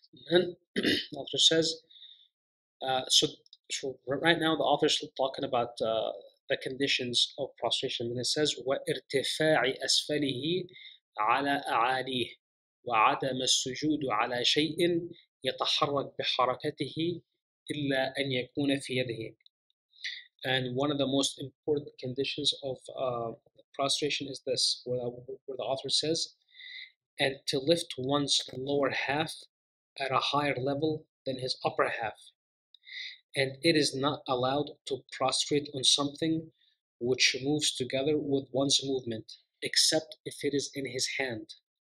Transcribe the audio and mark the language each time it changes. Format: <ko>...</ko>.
<en>And the author says, so right now the author is talking about the conditions of prostration.</en> <ar>And it says, وَإِرْتِفَاعِ أَسْفَلِهِ عَلَىٰ أَعَالِيهِ وَعَدَمَ السُّجُودُ عَلَىٰ شَيْءٍ يَتَحَرَّكْ بِحَرَكَتِهِ إِلَّا أَنْ يَكُونَ فِي يَدْهِ.</ar> <en>And one of the most important conditions of prostration is this, where the author says, and to lift one's lower half at a higher level than his upper half, and it is not allowed to prostrate on something which moves together with one's movement, except if it is in his hand.</en>